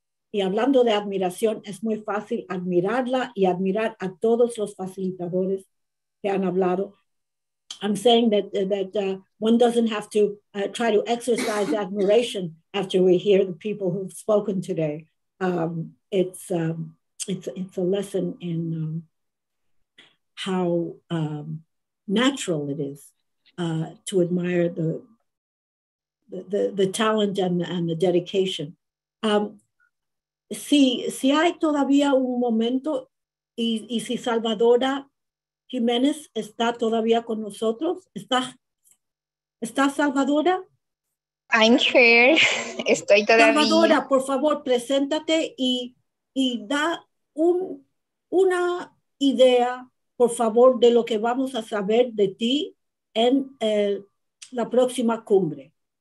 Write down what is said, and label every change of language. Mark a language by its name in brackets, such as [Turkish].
[Spanish] Y hablando de admiración, es muy fácil admirarla y admirar a todos los facilitadores que han hablado. [English] I'm saying that one doesn't have to try to exercise admiration after we hear the people who've spoken today. It's a lesson in how natural it is to admire the talent and the dedication. [Spanish] Si hay todavía un momento y si Salvadora Jiménez está todavía con nosotros, ¿está Salvadora? [English] I'm here, [Spanish] estoy todavía. Salvadora, por favor, preséntate y da una idea, por favor, de lo que vamos a saber de ti en la próxima cumbre.